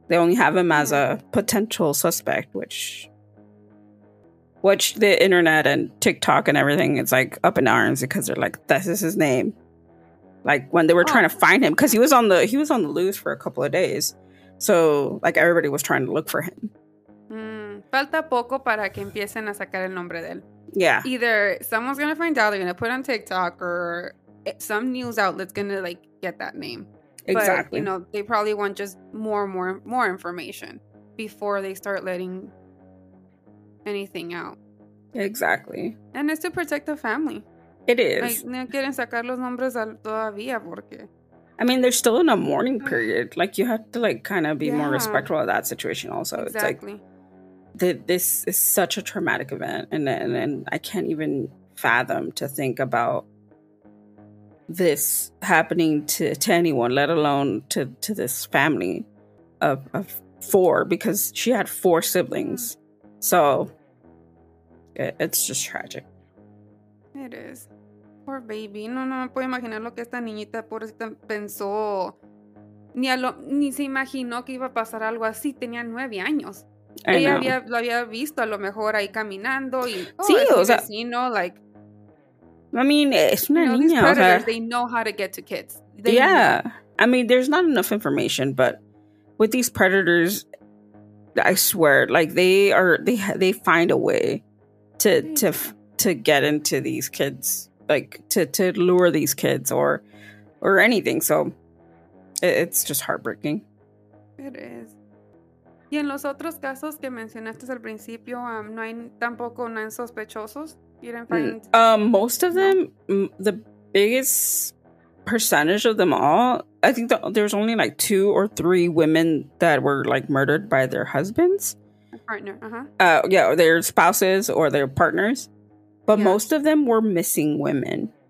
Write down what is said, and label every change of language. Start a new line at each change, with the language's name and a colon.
English: They only have him as a potential suspect, which the internet and TikTok and everything, it's like up in arms because they're like, this is his name. Like, when they were trying to find him, because he was on the loose for a couple of days. So, like, everybody was trying to look for him.
Spanish: Falta poco para que empiecen a sacar el nombre de él.
English: Yeah. Either someone's going to find out, they're going to put on TikTok, or some news outlet's going to, like, get that name. Exactly. But, you know, they probably want just more information before they start letting anything out. Exactly. And it's to protect the family. It is.
Spanish: Like, no quieren sacar los nombres todavía porque...
English: I mean, they're still in a mourning period. Like, you have to, like, kind of be more respectful of that situation also. Exactly. It's like, this is such a traumatic event. And I can't even fathom to think about this happening to anyone, let alone to this family of four. Because she had four siblings. Mm-hmm. So, it's just tragic. It is. Poor baby.
Spanish: No me puedo imaginar lo que esta niñita pobrecita pensó. Ni se imaginó que iba a pasar algo así. Tenía 9 años. Lo había visto a lo mejor ahí caminando. Y, sí, o sea. Vecino, like, I mean, es una niña.
English: These predators, they know how to get to kids. I mean, there's not enough information, but with these predators, I swear, like, they find a way to get into these kids, like to lure these kids or anything. So it's just heartbreaking. It is.
Spanish: Y en los otros casos que mencionaste al principio, no hay tampoco no hay sospechosos.
English: You didn't find most of them. The biggest percentage of them all, I think there's only like 2 or 3 women that were like murdered by their husbands. Partner, Or their spouses or their partners, but most of them were missing women.